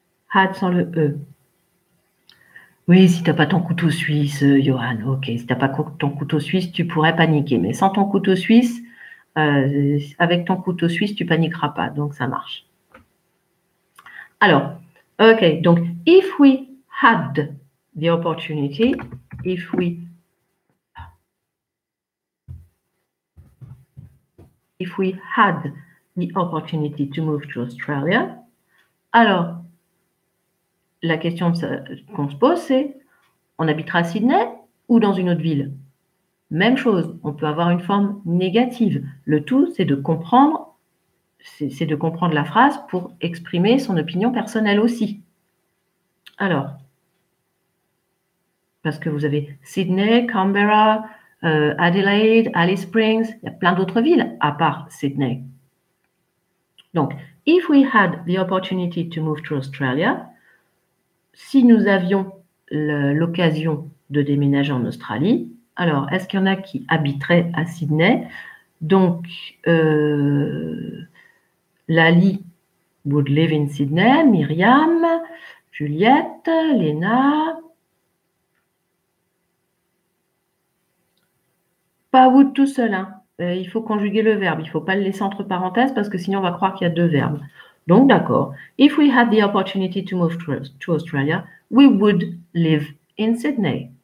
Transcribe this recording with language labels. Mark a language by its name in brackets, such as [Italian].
[French] Had sans le E. Oui, si tu n'as pas ton couteau suisse, Johan, ok. Si tu n'as pas ton couteau suisse, tu pourrais paniquer. Mais sans ton couteau suisse, avec ton couteau suisse, tu ne paniqueras pas. Donc, ça marche. Alors, ok. [English] Donc, if we had the opportunity, if we... If we had the opportunity to move to Australia, alors... [French] La question qu'on se pose, c'est on habitera à Sydney ou dans une autre ville? Même chose, on peut avoir une forme négative. Le tout, c'est de comprendre, c'est de comprendre la phrase pour exprimer son opinion personnelle aussi. Alors, parce que vous avez Sydney, Canberra, Adelaide, Alice Springs, il y a plein d'autres villes à part Sydney. Donc, [English] if we had the opportunity to move to Australia, [French] si nous avions l'occasion de déménager en Australie, alors, est-ce qu'il y en a qui habiteraient à Sydney? Donc, Lali, vous devez venir Sydney, Myriam, Juliette, Léna. Pas vous tout seul, hein. Il faut conjuguer le verbe. Il ne faut pas le laisser entre parenthèses parce que sinon on va croire qu'il y a deux verbes. Donc, d'accord. [English] If we had the opportunity to move to Australia, we would live in Sydney.